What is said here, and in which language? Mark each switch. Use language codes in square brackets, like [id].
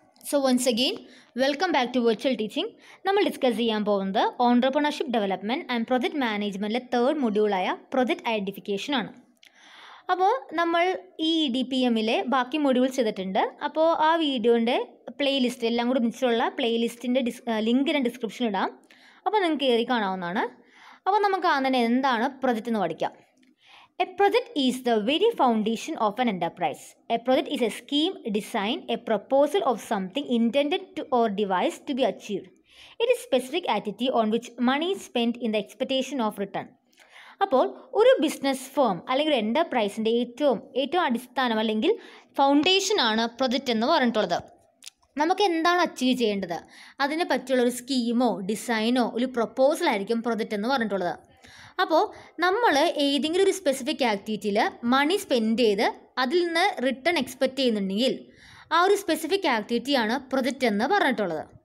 [en] So once again welcome back to virtual teaching. [ml] നമ്മൾ discuss ചെയ്യാൻ പോകുന്നത് entrepreneurship development and project മാനേജ്മെൻറ്റിലെ third മൊഡ്യൂളായ project identification ആണ്. അപ്പോൾ നമ്മൾ ഈ EDPM-ലെ ബാക്കി മൊഡ്യൂൾസ് ചെയ്തിട്ടുണ്ട്. അപ്പോൾ ആ വീഡിയോൻ്റെ പ്ലേലിസ്റ്റ് എല്ലാം കൂടി മിച്ചുള്ള പ്ലേലിസ്റ്റിൻ്റെ ലിങ്ക് ഞാൻ ഡിസ്ക്രിപ്ഷൻ ഇടാം. അപ്പോൾ നിങ്ങൾക്ക് കയറി കാണാവുന്നതാണ്. അപ്പോൾ നമുക്ക് അങ്ങനെ എന്താണ് പ്രൊജക്റ്റ് എന്ന് പഠിക്കാം. [en] A project is the very foundation of an enterprise. A project is a scheme, design, a proposal of something intended to or devised to be achieved. It is a specific activity on which money is spent in the expectation of return. [ml] അപ്പോൾ ഒരു business firm അല്ലെങ്കിൽ ഒരു എൻ്റർപ്രൈസിൻ്റെ ഏറ്റവും അടിസ്ഥാനം അല്ലെങ്കിൽ ഫൗണ്ടേഷനാണ് project എന്ന് പറഞ്ഞിട്ടുള്ളത്. നമുക്ക് എന്താണ് അച്ചീവ് ചെയ്യേണ്ടത്, അതിനെ പറ്റിയുള്ള ഒരു സ്കീമോ ഡിസൈനോ ഒരു പ്രൊപ്പോസലായിരിക്കും പ്രൊജക്റ്റ് എന്ന് പറഞ്ഞിട്ടുള്ളത്. അപ്പോൾ നമ്മൾ ഏതെങ്കിലും ഒരു സ്പെസിഫിക് ആക്ടിവിറ്റിയിൽ മണി സ്പെൻഡ് ചെയ്ത് അതിൽ നിന്ന് റിട്ടേൺ എക്സ്പെക്റ്റ് ചെയ്യുന്നുണ്ടെങ്കിൽ ആ ഒരു സ്പെസിഫിക് ആക്ടിവിറ്റിയാണ് പ്രൊജക്റ്റ് എന്ന് പറഞ്ഞിട്ടുള്ളത്.